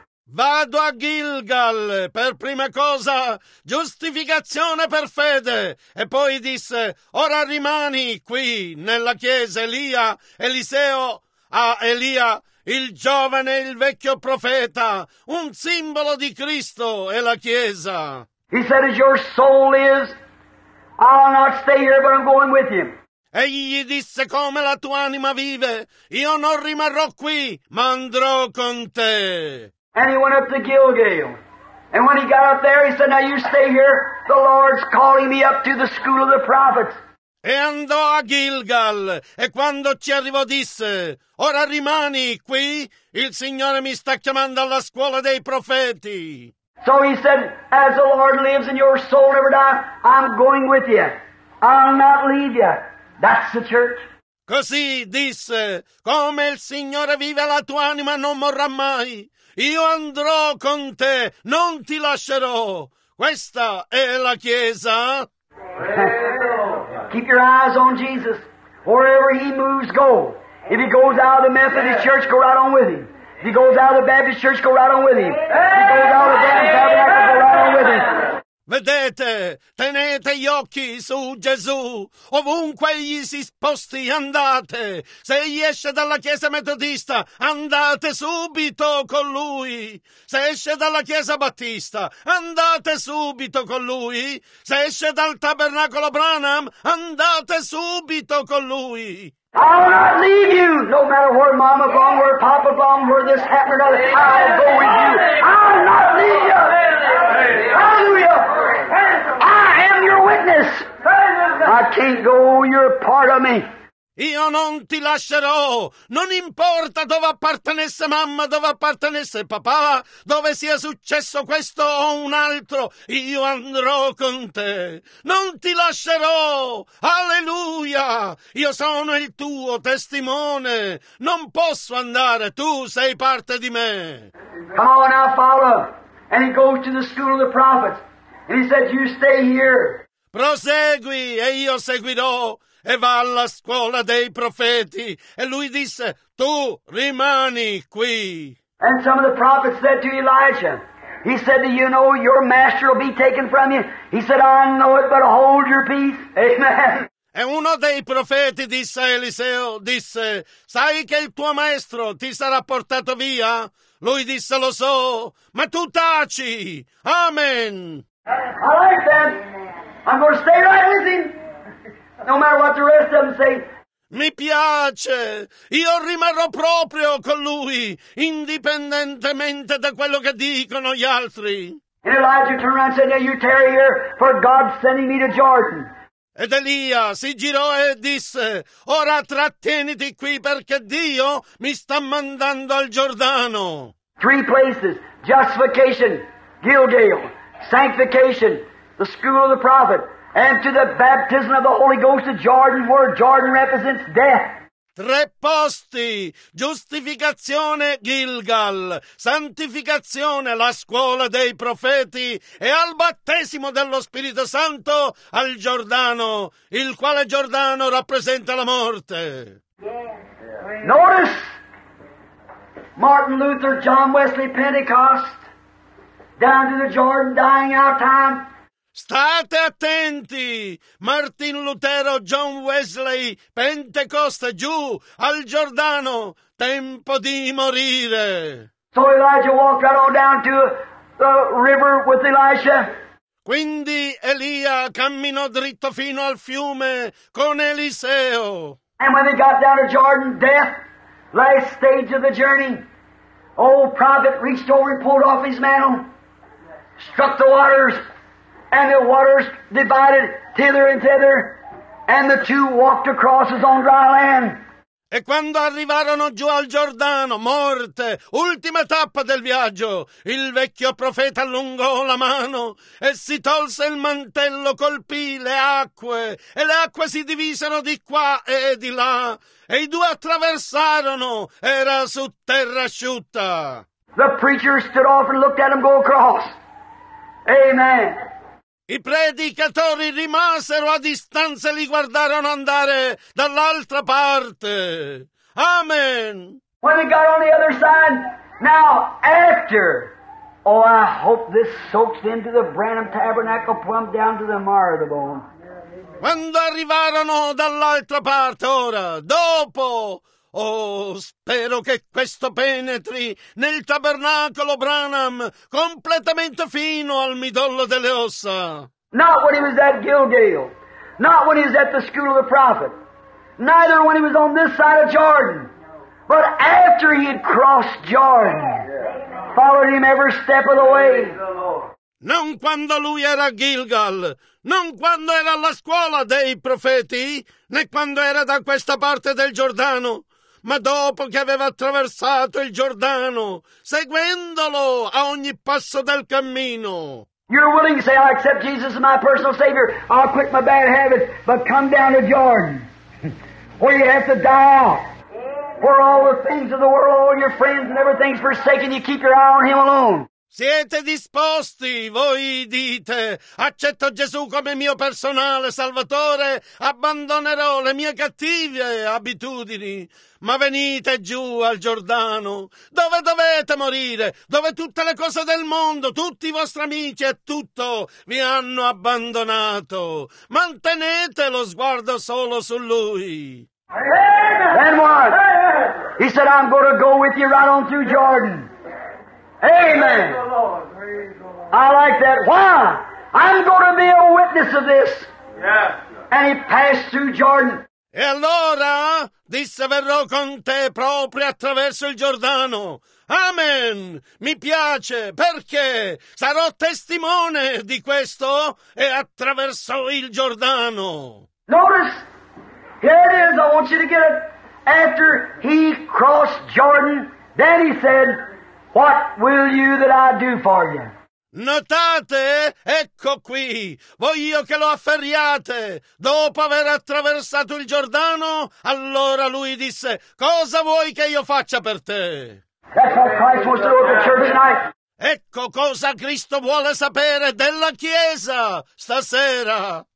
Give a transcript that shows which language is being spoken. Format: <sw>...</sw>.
<it>Vado a Gilgal per prima cosa, giustificazione per fede. E poi disse, ora rimani qui nella chiesa, Elia, Eliseo, Elia, il giovane, il vecchio profeta, un simbolo di Cristo e la chiesa.</it> <en>He said, as your soul is, I'll not stay here, but I'm going with him.</en> <it>Egli disse, come la tua anima vive, io non rimarrò qui, ma andrò con te.</it> <en>And he went up to Gilgal. And when he got up there, he said, now you stay here, the Lord's calling me up to the school of the prophets.</en> <it>E andò a Gilgal, e quando ci arrivò disse, ora rimani qui, il Signore mi sta chiamando alla scuola dei profeti.</it> <en>So he said, as the Lord lives and your soul never dies, I'm going with you. I'll not leave you. That's the church.</en> <it>Così disse, come il Signore vive la tua anima non morrà mai. Io andrò con te, non ti lascerò. Questa è la Chiesa.</it> <en>Keep your eyes on Jesus. Wherever he moves, go. If he goes out of the Methodist church, go right on with him. He goes out of the Baptist church, go right on with him. He goes out of the Baptist tabernacle, go right on with him.</en> <it>Vedete, tenete gli occhi su Gesù. Ovunque egli si sposti, andate. Se egli esce dalla chiesa metodista, andate subito con lui. Se esce dalla chiesa battista, andate subito con lui. Se esce dal tabernacolo Branham, andate subito con lui.</it> <en>I'll not leave you, no matter where mama gone, where papa gone, where this happened or another, I'll go with you. I'll not leave you. Hallelujah. I am your witness. I can't go, you're part of me.</en> <it>Io non ti lascerò, non importa dove appartenesse mamma, dove appartenesse papà, dove sia successo questo o un altro, io andrò con te, non ti lascerò, alleluia, io sono il tuo testimone, non posso andare, tu sei parte di me.</it> <en>Come on now, follow, and he goes to the school of the prophets, and he said, you stay here.</en> <it>Prosegui, e io seguirò. E va alla scuola dei profeti. E lui disse, tu rimani qui.</it> <en>And some of the prophets said to Elijah, he said, do you know your master will be taken from you? He said, I know it, but hold your peace. Amen.</en> <it>E uno dei profeti disse a Eliseo, disse, sai che il tuo maestro ti sarà portato via? Lui disse, lo so, ma tu taci. Amen.</it> <en>All right then, I'm going to stay right with him. No matter what the rest of them say.</en> <it>Mi piace, io rimarrò proprio con lui, indipendentemente da quello che dicono gli altri.</it> <en>And Elijah turned around and said, now you tarry here, for God's sending me to Jordan.</en> <it>Ed Elia si girò e disse, ora trattieniti qui perché Dio mi sta mandando al Giordano.</it> <en>Three places, justification, Gilgal, sanctification, the school of the prophet. And to the baptism of the Holy Ghost of Jordan, where Jordan represents death.</en> <it>Tre posti, giustificazione Gilgal, santificazione la scuola dei profeti e al battesimo dello Spirito Santo al Giordano, il quale Giordano rappresenta la morte.</it> <en>Yeah. Notice Martin Luther, John Wesley, Pentecost, down to the Jordan, dying out time.</en> <it>State attenti! Martin Lutero, John Wesley, Pentecoste, giù al Giordano, tempo di morire!</it> <en>So Elijah walked right on down to the river with Elisha.</en> <it>Quindi Elia camminò dritto fino al fiume con Eliseo.</it> <en>And when they got down to Jordan, death, last stage of the journey, old prophet reached over and pulled off his mantle, struck the waters. And the waters divided hither and thither, and the two walked across as on dry land.</en> <it>E quando arrivarono giù al Giordano, morte, ultima tappa del viaggio, il vecchio profeta allungò la mano e si tolse il mantello, colpì le acque, e le acque si divisero di qua e di là, e i due attraversarono, era su terra asciutta.</it> <en>The preacher stood off and looked at him go across. Amen.</en> <it>I predicatori rimasero a distanza e li guardarono andare dall'altra parte. Amen.</it> <en>When they got on the other side, now after, oh, I hope this soaks into the Branham Tabernacle plumb down to the marrow of the bone.</en> <it>Quando arrivarono dall'altra parte, ora, dopo, oh, spero che questo penetri nel tabernacolo Branham completamente fino al midollo delle ossa.</it> <en>Not when he was at Gilgal, not when he was at the school of the prophet, neither when he was on this side of Jordan, but after he had crossed Jordan, followed him every step of the way.</en> <it>Non quando lui era Gilgal, non quando era alla scuola dei profeti, né quando era da questa parte del Giordano, ma dopo che aveva attraversato il Giordano, seguendolo a ogni passo del cammino.</it> <en>You're willing to say, I accept Jesus as my personal Savior. I'll quit my bad habits, but come down to Jordan, where you have to die off. Where all the things of the world, all your friends and everything's forsaken, you keep your eye on Him alone.</en> <it>Siete disposti, voi dite, accetto Gesù come mio personale salvatore, abbandonerò le mie cattive abitudini, ma venite giù al Giordano, dove dovete morire, dove tutte le cose del mondo, tutti i vostri amici e tutto vi hanno abbandonato. Mantenete lo sguardo solo su Lui.</it> <en>And what? He said, I'm going to go with you right on through Jordan. Amen. I like that. Why? I'm going to be a witness of this. Yeah. And he passed through Jordan.</en> <it>E allora, disse, verrò con te proprio attraverso il Giordano. Amen. Mi piace, perché sarò testimone di questo e attraverso il Giordano.</it> <en>Notice, Here it is. I want you to get it. After he crossed Jordan, then he said, "What will you that I do for you?"</en> <it>Notate, ecco qui, voglio che lo afferriate. Dopo aver attraversato il Giordano, allora lui disse, "Cosa vuoi che io faccia per te?"</it> <en>That's what Christ wants to do with the church tonight.</en> <it>Ecco cosa Cristo vuole sapere della Chiesa stasera.</it>